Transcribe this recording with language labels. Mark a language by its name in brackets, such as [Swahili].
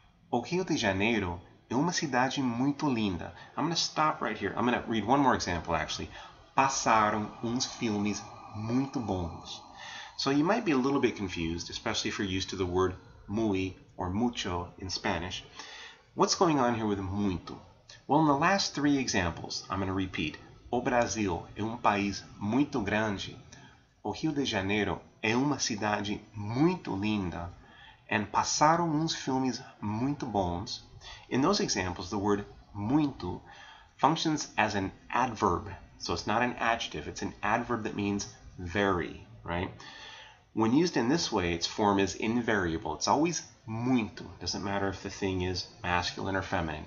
[Portuguese] O Rio de Janeiro é cidade muito linda. [English] I'm going to stop right here. I'm going to read one more example, actually. [Portuguese] Passaram filmes muito bons. [English] So you might be a little bit confused, especially if you're used to the word muy or mucho in Spanish. What's going on here with muito? Well, in the last three examples, I'm going to repeat. [Portuguese] O Brasil é país muito grande. O Rio de Janeiro é cidade muito linda. And passaram filmes muito bons. [English] In those examples, the word muito functions as an adverb. So it's not an adjective. It's an adverb that means very, right? When used in this way, its form is invariable. It's always muito. Doesn't matter if the thing is masculine or feminine.